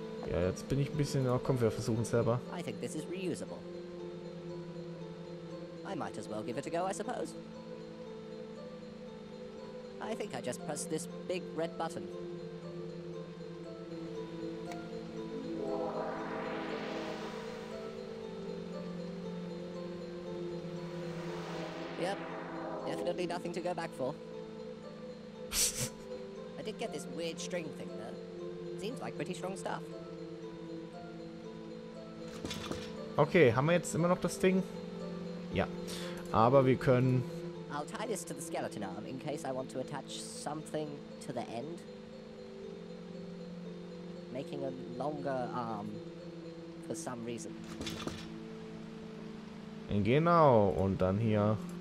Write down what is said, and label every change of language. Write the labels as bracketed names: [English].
[German] Ja, jetzt bin ich ein bisschen... Oh, komm, wir versuchen es selber. [English] I think this is reusable. I might as well give it a go, I suppose. I think I just press this big red button. Yep, definitely nothing to go back for. I did get this weird string thing, though. Seems like pretty strong stuff. [German] Okay, haben wir jetzt immer noch das Ding? Ja. Aber wir können... [English] I'll tie this to the skeleton arm, in case I want to attach something to the end. Making a longer arm, for some reason. [German] Genau, und dann hier...